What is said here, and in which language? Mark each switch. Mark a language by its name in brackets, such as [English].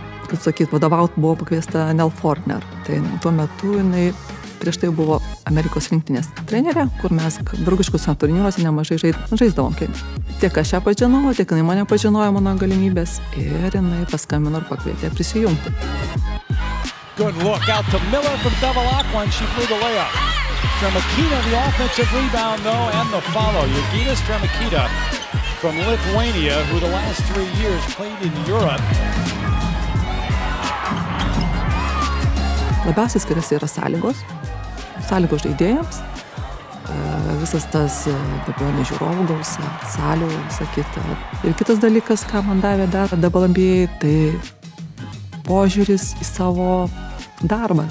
[Lithuanian] kaip sakyt, vadovaut buvo pakviesta Nell Fortner. Tai tuo metu jinai prieš tai buvo Amerikos rinktinės trenerė, kur mes draugiškus turnyruose nemažai žaisdavom. Tiek aš ją pažinojau, tiek jinai mane pažinojo mano galimybės. Ir jinai paskambino ir pakvietė prisijungti. [English] Good look out to Miller from double aqua and she blew the layup. Dramakita, the offensive rebound though, and the follow. Jurgitas Dramakita from Lithuania, who the last 3 years played in Europe. [Lithuanian] Labiausiai skiriasi yra sąlygos. Sąlygos žaidėjams. Visas tas papilonės žiūrovų gausa, salių, visa kita. Ir kitas dalykas, ką man davė dar dabalambijai, tai požiūris į savo darbą.